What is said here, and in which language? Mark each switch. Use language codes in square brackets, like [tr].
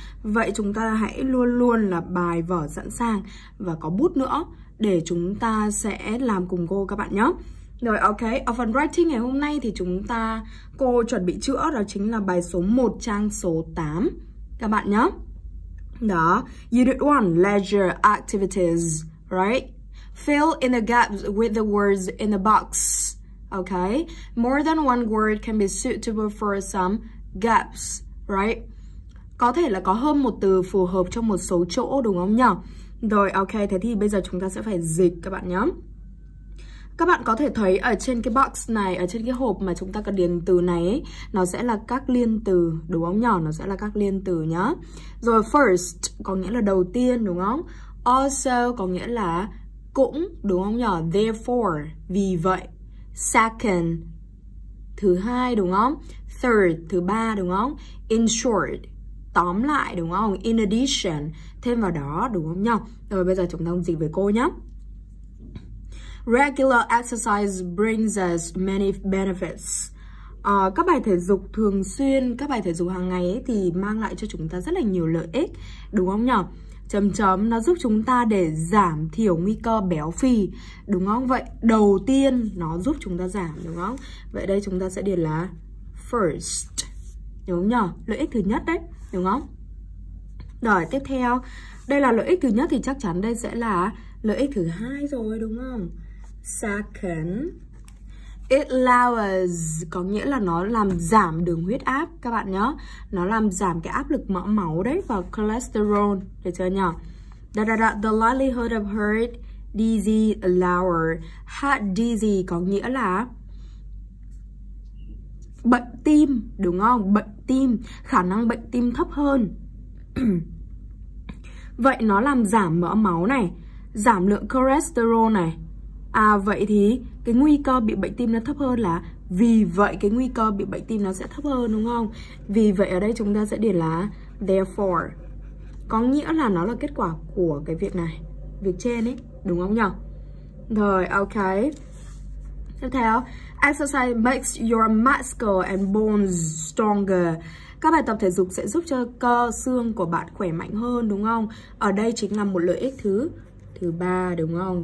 [vi] Vậy chúng ta hãy luôn luôn là bài vở sẵn sàng và có bút nữa để chúng ta sẽ làm cùng cô các bạn nhé. [en] Rồi ok, [vi] ở phần writing ngày hôm nay thì chúng ta cô chuẩn bị chữa đó chính là bài số 1 trang số 8 các bạn nhé. [en] Đó, unit 1, leisure activities, right? Fill in the gaps with the words in the box, ok? More than one word can be suitable for some gaps, right? [vi] Có thể là có hơn một từ phù hợp cho một số chỗ đúng không nhỉ? [en] Rồi ok, [vi] thế thì bây giờ chúng ta sẽ phải dịch các bạn nhé. Các bạn có thể thấy ở trên cái box này, ở trên cái hộp mà chúng ta cần điền từ này ấy, nó sẽ là các liên từ, đúng không nhỏ? Nó sẽ là các liên từ nhá. Rồi first có nghĩa là đầu tiên, đúng không? Also có nghĩa là cũng, đúng không nhỏ? Therefore, vì vậy. Second, thứ hai, đúng không? Third, thứ ba, đúng không? In short, tóm lại, đúng không? In addition, thêm vào đó, đúng không nhỏ? Rồi bây giờ chúng ta cùng dịch với cô nhá. [en] Regular exercise brings us many benefits. [vi] Các bài thể dục thường xuyên, các bài thể dục hàng ngày ấy thì mang lại cho chúng ta rất là nhiều lợi ích, đúng không nhỉ? Chấm chấm, nó giúp chúng ta để giảm thiểu nguy cơ béo phì, đúng không? Vậy đầu tiên nó giúp chúng ta giảm, đúng không? Vậy đây chúng ta sẽ điền là first, đúng không nhỉ? Lợi ích thứ nhất đấy, đúng không? Rồi tiếp theo, đây là lợi ích thứ nhất thì chắc chắn đây sẽ là lợi ích thứ hai rồi, đúng không? [en] Second, it lowers, [vi] có nghĩa là nó làm giảm đường huyết áp các bạn nhé. Nó làm giảm cái áp lực mỡ máu đấy và cholesterol, được chưa nhỉ? [en] The likelihood of heart disease lower. [vi] Heart disease có nghĩa là bệnh tim, đúng không? Bệnh tim, khả năng bệnh tim thấp hơn. Vậy nó làm giảm mỡ máu này, giảm lượng cholesterol này. À vậy thì cái nguy cơ bị bệnh tim nó thấp hơn là vì vậy cái nguy cơ bị bệnh tim nó sẽ thấp hơn, đúng không? Vì vậy ở đây chúng ta sẽ điền là therefore. Có nghĩa là nó là kết quả của cái việc này, việc trên ấy, đúng không nhỉ? Rồi ok. [en] Tiếp theo, exercise makes your muscles and bones stronger. [vi] Các bài tập thể dục sẽ giúp cho cơ xương của bạn khỏe mạnh hơn, đúng không? Ở đây chính là một lợi ích thứ ba, đúng không?